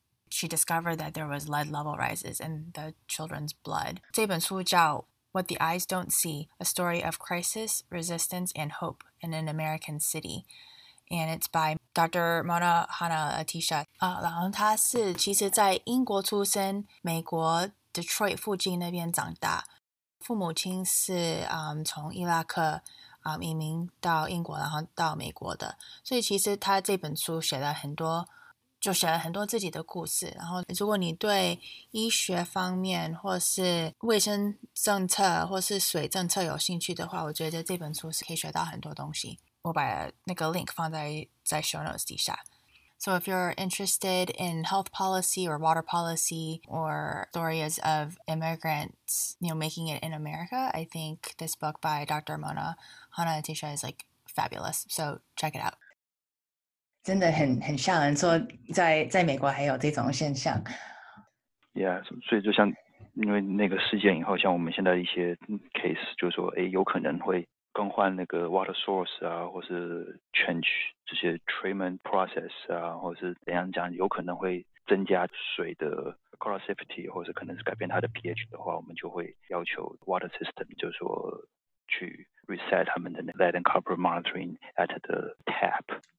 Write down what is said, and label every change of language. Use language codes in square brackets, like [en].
[en] She discovered that there was lead level rises in the children's blood. [zh] 这本书叫 [en] What the Eyes Don't See: A Story of Crisis, Resistance, and Hope in an American City. And it's by Dr. Mona Hanna Atisha. [zh] 然后她是其实在英国出生，美国 Detroit 附近那边长大，父母亲是从伊拉克移民到英国，然后到美国的。所以其实她这本书写了很多就写了很多自己的故事。然后如果你对医学方面或是卫生政策或是水政策有兴趣的话，我觉得这本书是可以学到很多东西。我把那个 link 放在 show notes 底下。 [en] So if you're interested in health policy or water policy or stories of immigrants, you know, making it in America, I think this book by Dr. Mona Hanna Atisha is like fabulous. So check it out. [zh] 真的很吓人说在美国还有这种现象。 Yeah, 所以就像因为那个事件以后，像我们现在一些 case 就是说有可能会更换那个 water source 啊，或是 change 这些 treatment process 啊，或是怎样讲，有可能会增加水的 corrosivity， 或是可能是改变它的 pH 的话，我们就会要求 water system 就是说去 reset 他们的 [en] lead and copper monitoring at the tap，